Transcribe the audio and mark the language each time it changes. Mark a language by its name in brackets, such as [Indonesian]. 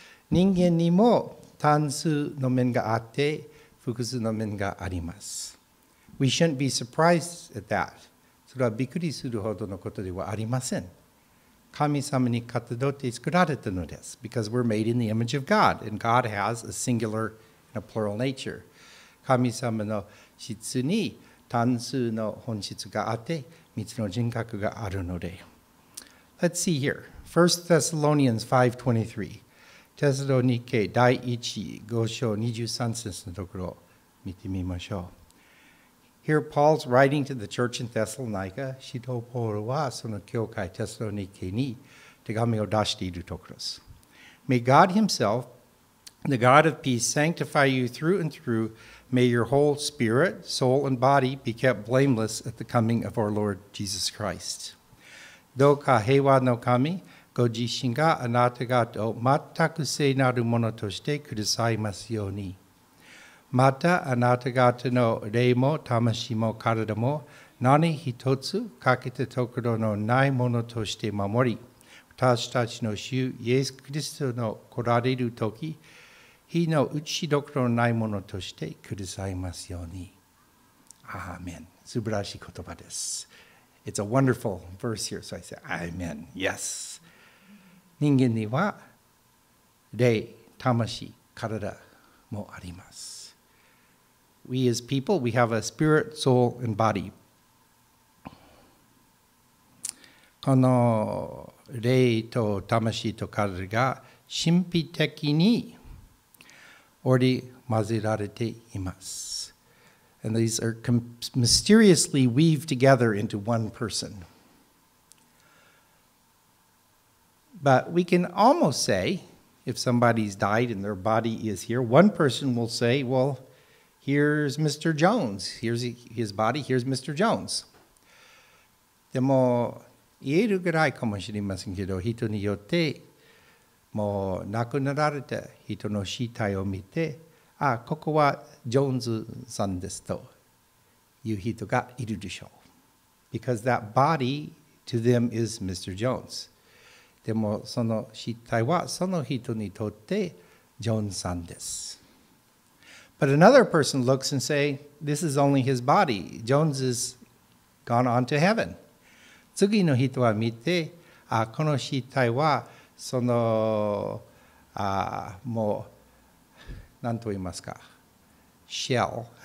[Japanese] 人間にも単数の面があって、複数の面があります。 [English] We shouldn't be surprised at that. [Japanese] それはびっくりするほどのことではありません。神様にかたどって作られたのです。 [English] Because we're made in the image of God, and God has a singular and a plural nature. [Japanese] 神様の質に単数の本質があって、三つの人格があるので。 [English] Let's see here. 1 Thessalonians 5:23. [Japanese] テサロニケ第1、5章23節のところ見てみましょう。 [English] Here, Paul's writing to the church in Thessalonica. [Japanese] 使徒ポールはその教会テサロニケに手紙を出しているところです。 [English] May God himself, the God of peace, sanctify you through and through. May your whole spirit, soul, and body be kept blameless at the coming of our Lord Jesus Christ. [Japanese] どうか平和の神、ご自身があなた方を全く聖なるものとしてくださいますように。またあなた方の霊も魂も体も何一つ欠けたところのないものとして守り、私たちの主イエス・キリストの来られる時、日の打ちどころのないものとしてくださいますように。アーメン。素晴らしい言葉です。 [English] It's a wonderful verse here, so I say, Amen. Yes. [Japanese] 人間には霊、魂、体もあります。 [English] We as people, we have a spirit, soul, and body. [Japanese] この霊と魂と体が神秘的に織り交ぜられています。 [English] And these are mysteriously weaved together into one person. But we can almost say, if somebody's died and their body is here, one person will say, well, here's Mr. Jones. Here's his body. Here's Mr. Jones. [Japanese] でも言えるぐらいかもしれませんけど、人によってもう亡くなられた人の死体を見て、あ、ここはジョーンズさんですという人がいるでしょう。 [English] Because that body to them is Mr. Jones. [Japanese] でもその死体はその人にとってジョーンズさんです。 [English] But another person looks and say, this is only his body. Jones is gone on to heaven. [Japanese] 次の人は見て、あ、この死体はその、あ、もう、何と言いますか ?shell.